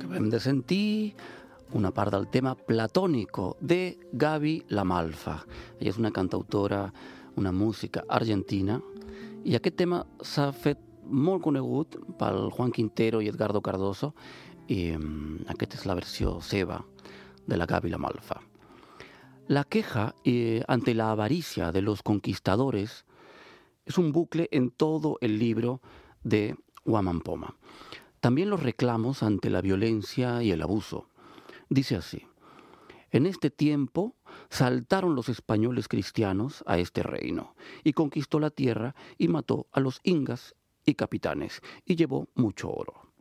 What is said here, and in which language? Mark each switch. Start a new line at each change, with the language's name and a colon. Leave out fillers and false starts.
Catalan: de sentir una part del tema Platónico de Gaby Lamalfa. Ella és una cantautora, una música argentina, i aquest tema s'ha fet molt conegut pel Juan Quintero i Edgardo Cardoso, i aquesta és la versió seva de la Gaby Lamalfa.
Spanish: La queja ante la avaricia de los conquistadores es un bucle en todo el libro de Huaman Poma. También los reclamos ante la violencia y el abuso. Dice así: en este tiempo saltaron los españoles cristianos a este reino y conquistó la tierra y mató a los ingas y capitanes y llevó mucho oro.